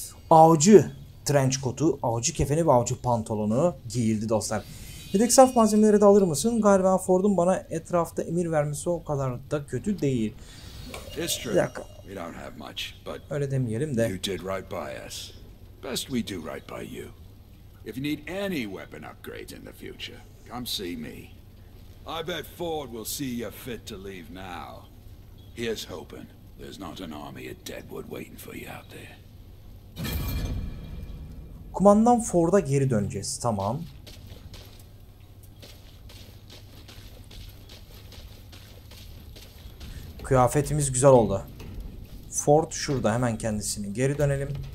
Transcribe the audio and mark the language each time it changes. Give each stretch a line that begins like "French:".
Turkish: Avcı trench coat'u, avcı kefeni ve avcı pantolonu giyildi dostlar. Yedek saf malzemeleri de alır mısın? Galiba Ford'un bana etrafta emir vermesi o kadar da kötü değil. Bir dakika.
English: We don't have much, but
Turkish: öyle demeyelim de.
English: You did right by us. Best we do right by you. If you need any weapon upgrades in the future, come see me. I bet Ford will see you fit to leave now. Here's hoping there's not an army of Deadwood waiting for you out there.
Turkish: Kumandan Ford'a geri döneceğiz, tamam. Kıyafetimiz güzel oldu. Ford şurada, hemen kendisini geri dönelim.